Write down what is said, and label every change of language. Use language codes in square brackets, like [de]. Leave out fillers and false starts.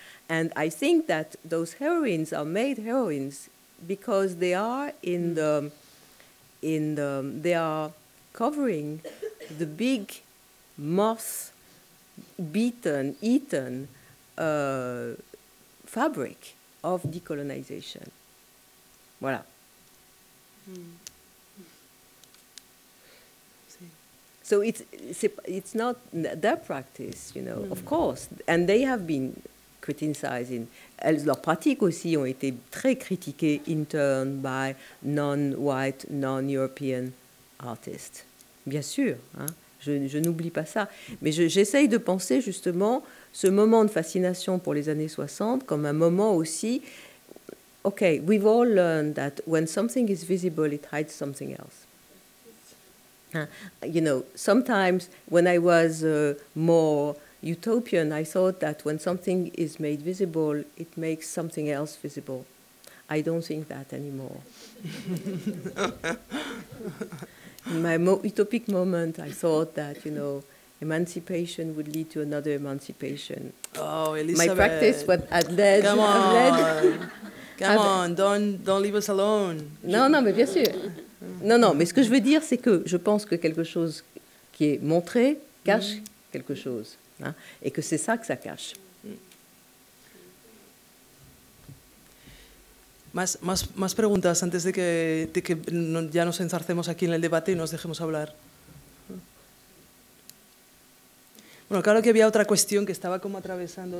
[en] And I think that those heroines are made heroines because they are they are covering the big moth eaten fabric of decolonization. Voilà. So it's not their practice, you know, of course, and they have been criticizing. [fr] Leurs pratiques aussi ont été très critiquées [en] in turn by non-white, non-European artists. [fr] Bien sûr, hein, je n'oublie pas ça. Mais j'essaye de penser justement ce moment de fascination pour les années 60 comme un moment aussi. [en] OK, we've all learned that when something is visible, it hides something else. You know, sometimes when I was more utopian, I thought that when something is made visible, it makes something else visible. I don't think that anymore. In my utopic moment, I thought that, you know, emancipation would lead to another emancipation. Oh, Elizabeth. My practice had led. Come on. Led. Come on, don't leave us alone. [fr] Non, mais bien sûr. Non, mais ce que je veux dire, c'est que je pense que quelque chose qui est montré cache quelque chose. Hein, et que c'est ça que ça cache. [es] Más preguntas antes de que ya nos enzarcemos aquí en el debate y nos dejemos hablar. Bueno, claro que había otra cuestión que estaba como atravesando.